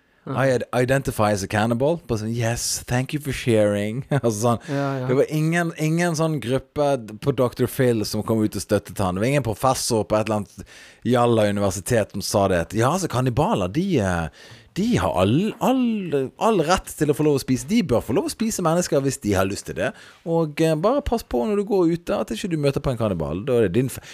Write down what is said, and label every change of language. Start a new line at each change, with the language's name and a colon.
English: I identify as a cannibal, but
Norwegian: sånn,
English: yes, thank you for sharing.
Norwegian: Altså sånn, ja, ja. Det var ingen sånn gruppe på Dr. Phil som kom ut og støttet han. Det var ingen professor på et eller annet Jalla universitet som sa det at, ja, altså, kannibaler, de har all rett til å få lov å spise. De bør få lov å spise mennesker hvis de har lyst til det. Og bare pass på når du går ute at ikke du møter på en kannibal. Da er det din feil.